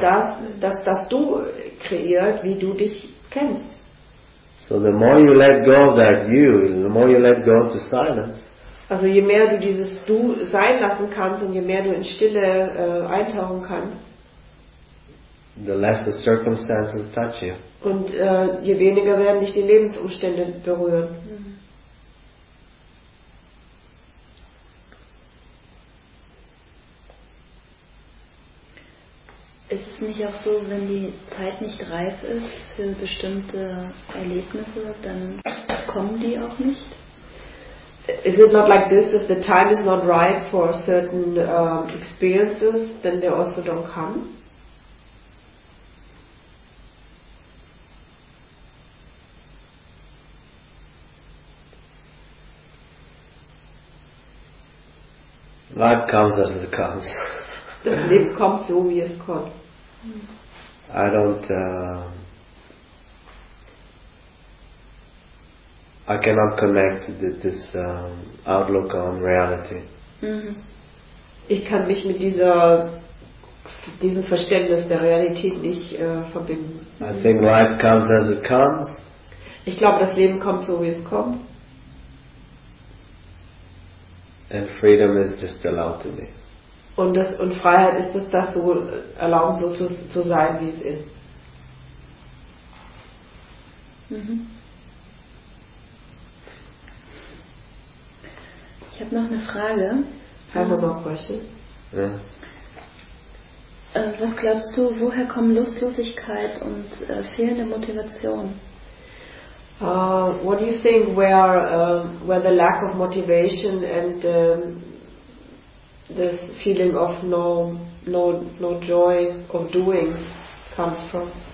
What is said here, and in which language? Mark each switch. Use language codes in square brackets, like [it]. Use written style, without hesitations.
[de] Hat das du kreiert, wie du dich kennst. [en] So the more you let go of that you, the more you let go of the silence. [de] Also je mehr du dieses du sein lassen kannst und je mehr du in Stille eintauchen kannst, [en] the less the circumstances touch you. [de] Und je weniger werden dich die Lebensumstände berühren. Ist es nicht auch so, wenn die Zeit nicht reif ist für bestimmte Erlebnisse, dann kommen die auch nicht? [en] Is it not like this? If the time is not ripe for certain experiences, then they also don't come? Life comes as it comes. [de] Das Leben kommt so, wie es kommt. [en] I don't I cannot connect this outlook on reality. [de] Ich kann mich mit diesem Verständnis der Realität nicht verbinden. [en] I think life comes as it comes. [de] Ich glaube, das Leben kommt so, wie es kommt. [en] And freedom is just allowed to be. [de] Und Freiheit ist es, das so erlauben, so zu sein, wie es ist. Ich habe noch eine Frage. [en] Have more questions? [de] Was glaubst du, woher kommen Lustlosigkeit und fehlende Motivation? [en] What do you think, where the lack of motivation and this feeling of no joy of doing comes from?